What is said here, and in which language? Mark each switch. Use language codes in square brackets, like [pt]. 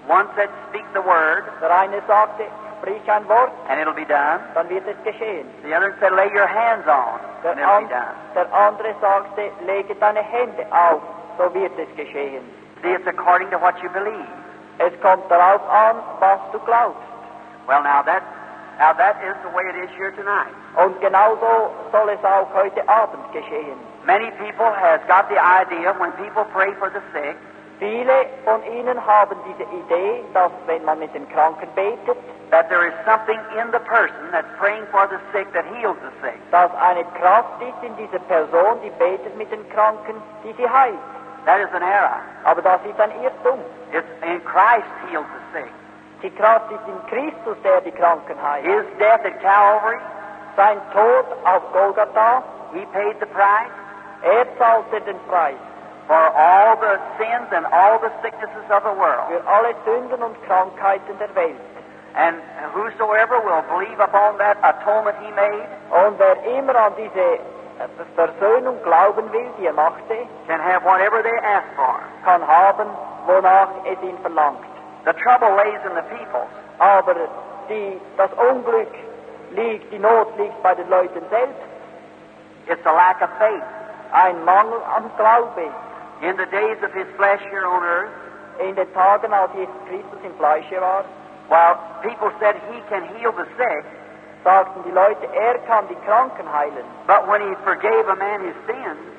[en] One said, speak the word. [de] Der eine sagte, sprich ein Wort, [en] and it'll be done. [de] Dann wird es geschehen. [en] The other said, lay your hands on, [de] der [en] and it'll be done. [de] Der andere sagte, lege deine Hände auf, so wird es geschehen. [en] See, it's according to what you believe. [de] Es kommt darauf an, was du glaubst. [en] Well, now that is the way it is here tonight. [de] Und genauso soll es auch heute Abend geschehen. [en] Many people have got the idea when people pray for the sick. [de] Viele von ihnen haben diese Idee, dass wenn man mit den Kranken betet, [en] that there is something in the person that's praying for the sick that heals the sick. [de] Dass eine Kraft ist in dieser Person, die betet mit den Kranken, die sie heilt. [en] That is an error. [de] Aber das ist ein Irrtum. [en] It's in Christ heals the sick. [de] Die Kraft ist in Christus, der die Kranken heilt. [en] His death at Calvary, [de] sein Tod auf Golgatha, [en] he paid the price, [de] zahlte den Preis, [en] for all the sins and all the sicknesses of the world. [de] Für alle Sünden und Krankheiten der Welt. [en] And whosoever will believe upon that atonement he made, [de] und wer immer an diese Versöhnung glauben will, die machte, [en] can have whatever they ask for, [de] kann haben, wonach es ihn verlangt. [en] The trouble lays in the people. [de] Aber das Unglück liegt, die Not liegt bei den Leuten selbst. [en] It's a lack of faith. [de] Ein Mangel am Glaube. [en] In the days of his flesh here on earth, [de] in den Tagen, als Jesus Christus im Fleisch war, [en] while people said he can heal the sick, [de] sagten die Leute, kann die Kranken heilen. [en] But when he forgave a man his sins,